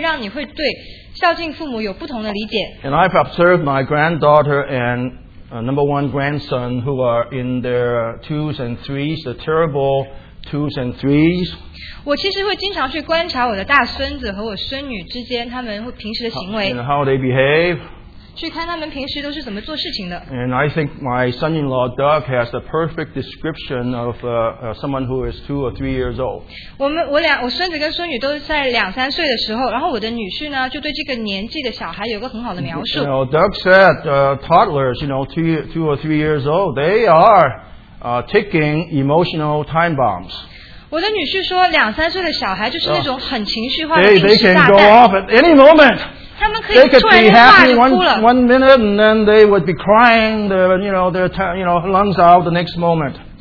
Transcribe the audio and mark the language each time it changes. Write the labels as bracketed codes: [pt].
[zh] 我刚要做那个调查的目的就是让大家看见小孩子的年龄，还有你生长在不同的环境等等，会让你会对孝敬父母有不同的理解。 [en] And I've observed my granddaughter and number one grandson who are in their twos and threes, the terrible twos and threes. [zh] 我其实会经常去观察我的大孙子和我孙女之间他们平时的行为。 [en] And how they behave. [zh] 去看他们平时都是怎么做事情的。 [en] And I think my son-in-law Doug has the perfect description of someone who is 2 or 3 years old. [zh] 我孙子跟孙女都在两三岁的时候，然后我的女婿呢，就对这个年纪的小孩有个很好的描述。 [en] You know, Doug said toddlers, you know, 2 or 3 years old, they are ticking emotional time bombs. [zh] 我的女婿说，两三岁的小孩就是那种很情绪化的定时炸弹。 [en] They can go off at any moment. They could be happy one minute, and then they would be crying their lungs out the next moment.